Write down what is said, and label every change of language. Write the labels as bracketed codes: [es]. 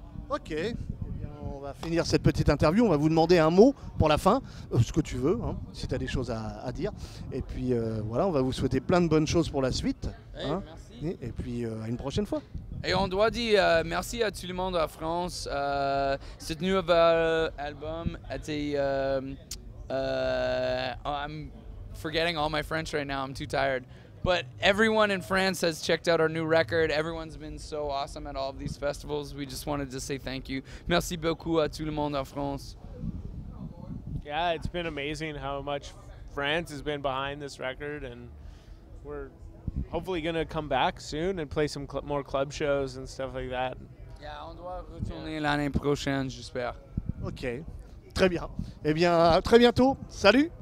[fr] Ok, eh bien, on va finir cette petite interview, on va vous demander un mot pour la fin, ce que tu veux, hein, si tu as des choses à dire. Et puis voilà, on va vous souhaiter plein de bonnes choses pour la suite. Hey, hein. Merci. Et puis à une prochaine fois. Et on doit dire merci à tout le monde en France. Cette nouvelle album était. [en] I'm forgetting all my French right now. I'm too tired. But everyone in France has checked out our new record. Everyone's been so awesome at all of these festivals. We just wanted to say thank you. [fr] Merci beaucoup à tout le monde en France. [en] Yeah, it's been amazing how much France has been behind this record, and we're. Hopefully gonna come back soon and play some more club shows and stuff like that. [fr] Yeah, on doit retourner l'année prochaine, j'espère. Ok, très bien. Eh bien, à très bientôt. Salut.